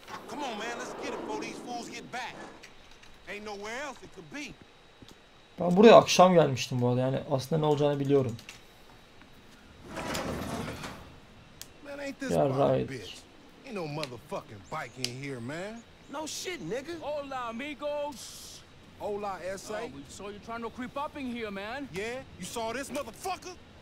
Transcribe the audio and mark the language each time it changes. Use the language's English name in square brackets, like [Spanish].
[English] Come on man, let's get it before these fools get back. Ain't nowhere else it could be. [Turkish] Ben buraya akşam gelmiştim bu arada. Yani aslında ne olacağını biliyorum. [English] Man ain't this yeah, right. Bitch. Ain't no motherfucking bike in here, man. No shit, nigga. [Spanish] Hola, amigos. Hola, SA. [English] We saw you trying to creep up in here, man. Yeah, you saw this motherfucker?